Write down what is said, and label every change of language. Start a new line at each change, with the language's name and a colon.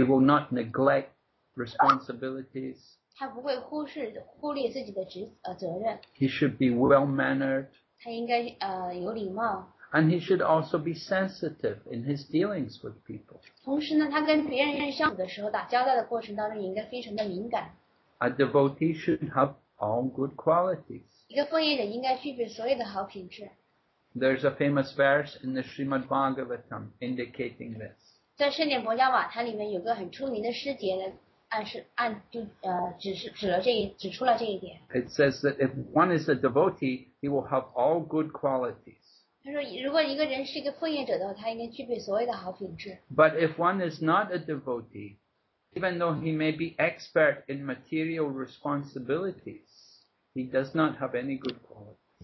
English: He will not neglect responsibilities.
Chinese: 他不会忽略自己的责任。
English: He should be well-mannered.
Chinese: 他应该有礼貌。
English: And he should also be sensitive in his dealings with people.
Chinese: 同时呢，他跟别人相处的时候，打交道的过程当中应该非常的敏感。
English: A devotee should have all good qualities.
Chinese: 一个奉献者应该具备所有的好品质。
English: There's a famous verse in the Srimad Bhagavatam indicating this.
Chinese: 在圣典薄伽瓦坦里面有个很出名的师节呢，暗示指出了这一点。
English: It says that if one is a devotee, he will have all good qualities.
Chinese: 他说，如果一个人是一个奉献者的话，他应该具备所有的好品质。
English: But if one is not a devotee, even though he may be expert in material responsibilities, he does not have any good qualities.